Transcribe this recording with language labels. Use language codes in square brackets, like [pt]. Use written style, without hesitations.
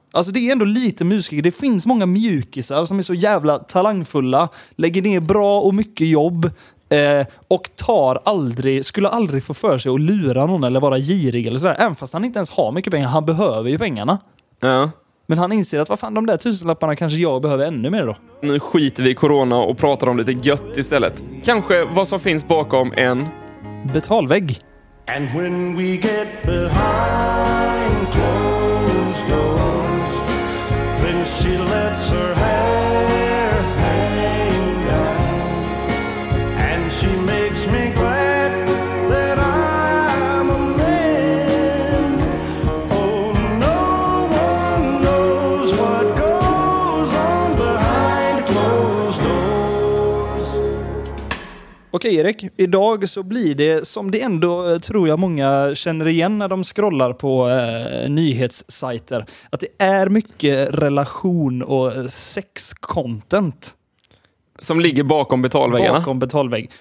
[sv] Alltså det är ändå lite musiker, det finns många mjukisar som är så jävla talangfulla, lägger ner bra och mycket jobb och tar aldrig, skulle aldrig få för sig att lura någon eller vara girig eller sådär. Även fast han inte ens har mycket pengar, han behöver ju pengarna. Ja. Men han inser att vad fan, de där tusenlapparna kanske jag behöver ännu mer då. Nu skiter vi i corona och pratar om lite gött istället. Kanske vad som finns bakom en betalvägg. [en] And when we get behind closed doors, when she lets her hair hang down, and she makes me glad that I'm a man. Oh, no one knows what goes on behind closed doors. [sv] Okej, Erik. Idag så blir det som det ändå tror jag många känner igen när de scrollar på nyhetssajter. Att det är mycket relation och sexcontent. Som ligger bakom betalväggarna. Bakom betalvägg.